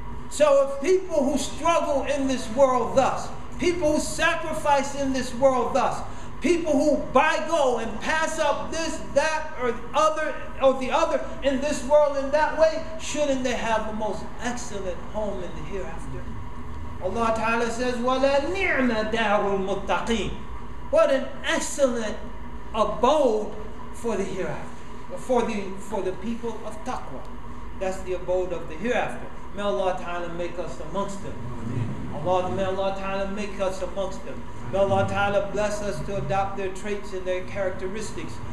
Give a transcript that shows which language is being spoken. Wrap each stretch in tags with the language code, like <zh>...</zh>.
<en>So if people who struggle in this world thus, people who sacrifice in this world thus, people who buy gold and pass up this, that, or the other in this world in that way, shouldn't they have the most excellent home in the hereafter? Allah Ta'ala says,</en> <ar>وَلَا نِعْمَ دَارُ الْمُتَّقِينَ.</ar> <en>What an excellent abode for the hereafter. For the people of taqwa. That's the abode of the hereafter. May Allah Ta'ala make us amongst them. Allah, may Allah Ta'ala make us amongst them. May Allah Ta'ala bless us to adopt their traits and their characteristics.</en>